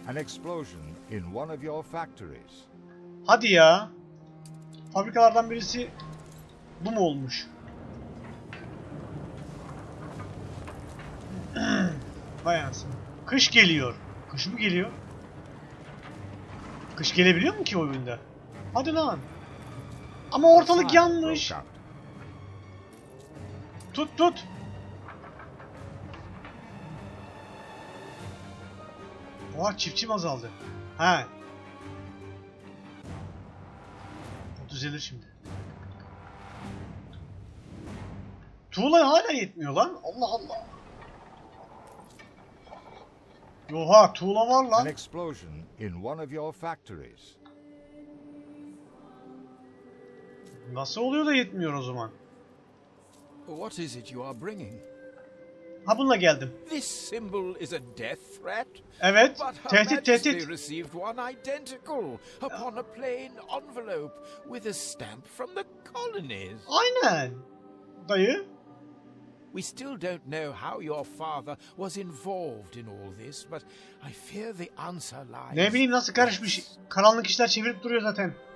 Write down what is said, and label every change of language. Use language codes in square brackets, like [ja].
[en] An explosion in one of your factories. [tr] Hadi ya. Fabrikalardan birisi bu mu olmuş? Vay anasını. Kış geliyor. Kış mı geliyor? Kış gelebiliyor mu ki o oyunda? Hadi lan. Ama ortalık yanmış. Tut. Oha, çiftçim azaldı. He. O düzelir şimdi. Tuğla hala yetmiyor lan. Allah Allah. Oha, tuğla var lan. [en] An explosion in one of your factories. [tr] Nasıl oluyor da yetmiyor o zaman? [en] What is it you are bringing? [tr] Ha, bununla geldim. [en] This symbol is a death threat. [tr] Evet, tehdit. [en] They received one identical upon a plain envelope with a stamp from the colonies. [tr] Aynen. Dayı. [en] We still don't know how your father was involved in all this, but I fear the answer lies. [tr] Ne bileyim nasıl karışmış? Karanlık işler çevirip duruyor zaten.